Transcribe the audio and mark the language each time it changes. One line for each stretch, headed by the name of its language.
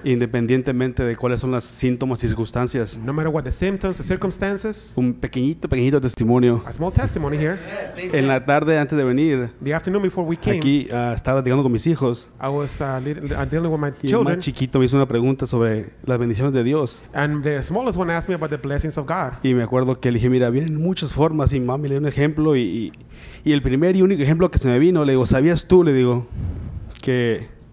Spanish: Independientemente de cuáles son los síntomas y circunstancias.
English: No matter what the symptoms, the circumstances.
Spanish: Un pequeñito, pequeñito testimonio.
English: A small testimony here.
Spanish: En la tarde antes de venir.
English: The afternoon before we came.
Spanish: Aquí estaba platicando con mis hijos.
English: I was dealing with my children.
Spanish: Y el más chiquito me hizo una pregunta sobre las bendiciones de Dios.
English: And the smallest one asked me about the blessings of God.
Spanish: Y me acuerdo que le dije, mira, vienen muchas formas y mami le dio un ejemplo y el primer y único ejemplo que se me vino, le digo, ¿sabías tú? Le digo, que...